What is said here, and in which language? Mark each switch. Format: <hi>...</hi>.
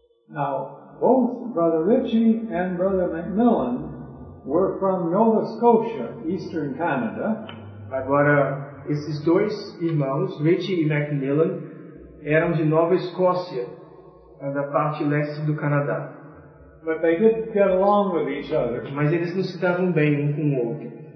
<en>Now, both Brother Ritchie and Brother Macmillan were from Nova Scotia, Eastern Canada.</en> <pt>Agora, esses dois irmãos, Ritchie e Macmillan, eram de Nova Escócia, da parte leste do Canadá.</pt> <en>But they didn't get along with each other.</en> <pt>Mas eles não se davam bem um com o outro.</pt>